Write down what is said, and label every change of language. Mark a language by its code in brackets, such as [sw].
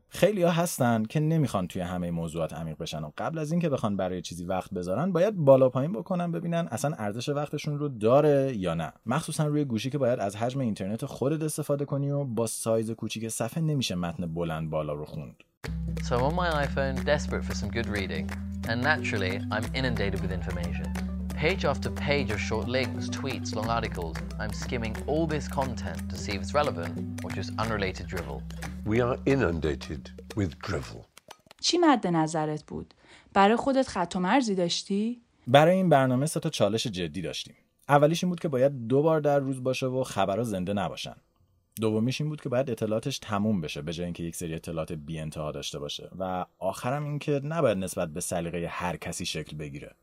[fa] خیلی ها هستن که نمیخوان توی همه موضوعات عمیق بشن و قبل از این که بخوان برای چیزی وقت بذارن باید بالا پایین بکنن ببینن اصلا ارزش وقتشون رو داره یا نه. مخصوصا روی گوشی که باید از حجم اینترنت خودت استفاده کنی و با سایز کوچیک صفحه نمیشه متن بلند بالا رو خوند. [en] So on my iPhone, desperate for some good reading, and naturally I'm inundated with information. Page after page of short links, tweets, long articles. I'm skimming all this content to see if it's relevant or just unrelated drivel. We are inundated with drivel. [fa] چی مد نظرت بود؟ برای خودت خط و مرزی داشتی؟ برای این برنامه سه تا چالش جدی داشتیم. اولیش این بود که باید دو بار در روز باشه و خبرها زنده نباشن. دومیش این بود که باید اطلاعاتش تموم بشه به جای اینکه یک سری اطلاعات بی انتها داشته باشه و آخرم این که نباید نسبت به سلیقه هر کسی شکل بگیره.